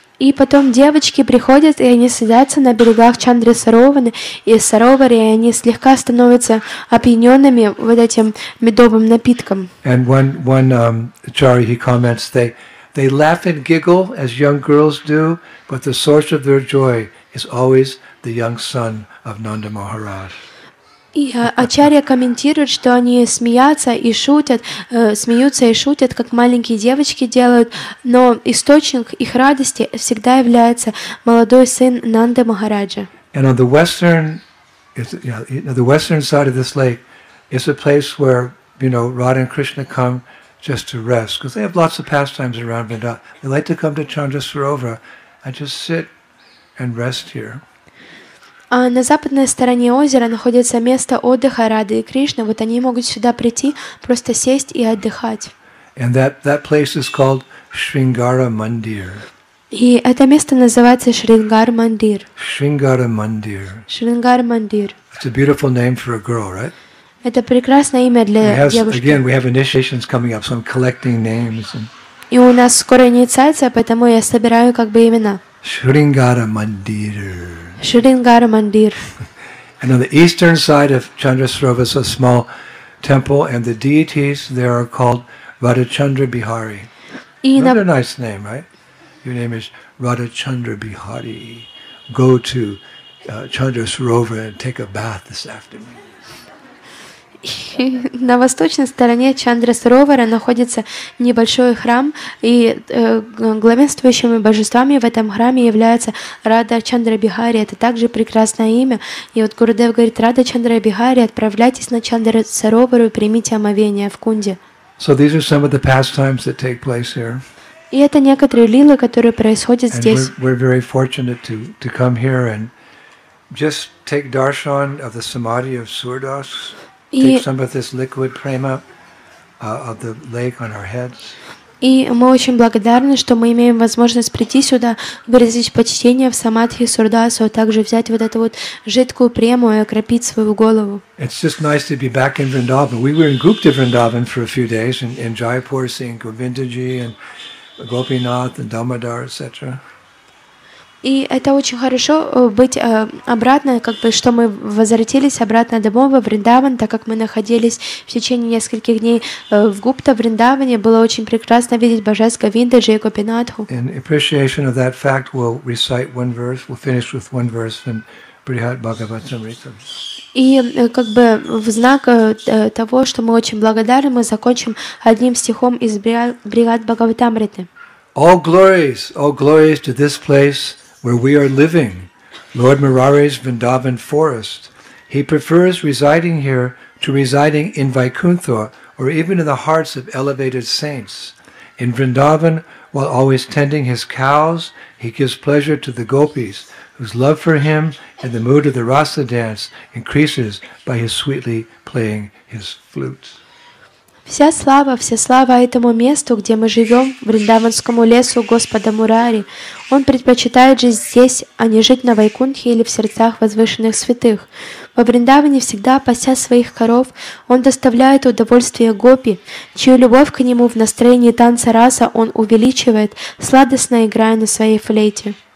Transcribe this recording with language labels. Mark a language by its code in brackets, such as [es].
[ru] И потом девочки приходят и они садятся на берегах Чандры Сарованы и Саровары, и они слегка становятся опьянёнными вот этим медовым напитком. [en] And one Chari, he comments, they laugh and giggle as young girls do, but the source of their joy is always the young son of Nanda Maharaj. [ru] И Ачарья комментирует, что они смеются и шутят, смеются и шутят, как маленькие девочки делают, но источник их радости всегда является молодой сын Нанды Махараджа. [en] And on the western side of this lake is a place where, you know, Radha and Krishna come just to rest, because they have lots of pastimes around Vrindavan. They like to come to Chandra Sarovara and just sit and rest here. [ru] А на западной стороне озера находится место отдыха Рады и Кришны. Вот они могут сюда прийти, просто сесть и отдыхать. [en] And that place is called Shringara Mandir. [ru] И это место называется Шрингар Мандир. Шрингара Мандир. Шрингар Мандир. [en] It's a beautiful name for a girl, right? [ru] Это прекрасное имя для девушки. [en] Again, we have initiations coming up, so I'm collecting names. [ru] И у нас скоро инициация, поэтому я собираю как бы имена. Шрингара Мандир. Шрингара Мандир. [en] And on the eastern side of Chandra Sarovara is a small temple, and the deities there are called Radhachandra Bihari. What a nice name, right? Your name is Radhachandra Bihari. Go to Chandra Sarovar and take a bath this afternoon. [ru] На восточной стороне Чандра Саровара находится небольшой храм, и главенствующими божествами в этом храме является Рада Чандра Бихари. Это также прекрасное имя. И вот Гурудев говорит: Рада Чандра Бихари, отправляйтесь на Чандра Саровару и примите омовение в Кунде. [en] So these are some of the pastimes that take place here. [ru] И это некоторые лилы, которые происходят здесь. [en] We're very fortunate to come here and just take darshan of the samadhi of Surdas. Take some of this liquid prema of the lake on our heads. [ru] И мы очень благодарны, что мы имеем возможность прийти сюда, выразить почтение в самадхи Сурдасу, а также взять вот эту вот жидкую прему и окропить свою голову. [en] It's just nice to be back in Vrindavan. We were in Gupta Vrindavan for a few days in Jaipur, seeing Govindaji and Gopinath and Damodar, etc. [ru] И это очень хорошо быть обратно, как бы, что мы возвратились обратно домой во Вриндаван, так как мы находились в течение нескольких дней в Гупта Вриндаване, было очень прекрасно видеть божеское Говиндаджи и Гопинатху. [en] In appreciation of that fact, we'll recite one verse. We'll finish with one verse from Brihat Bhagavatamrita. [ru] И как бы в знак того, что мы очень благодарны, мы закончим одним стихом из Брихат Бхагаватамриты. [en] All glories to this place where we are living, Lord Murari's Vrindavan forest. He prefers residing here to residing in Vaikuntha or even in the hearts of elevated saints. In Vrindavan, while always tending his cows, he gives pleasure to the gopis, whose love for him and the mood of the rasa dance increases by his sweetly playing his flute. [ru] Вся слава этому месту, где мы живем, Вриндаванскому лесу Господа Мурари. Он предпочитает жить здесь, а не жить на Вайкунтхе или в сердцах возвышенных святых. Во Вриндаване, всегда пася своих коров, он доставляет удовольствие гопи, чью любовь к нему в настроении танца раса он увеличивает, сладостно играя на своей флейте.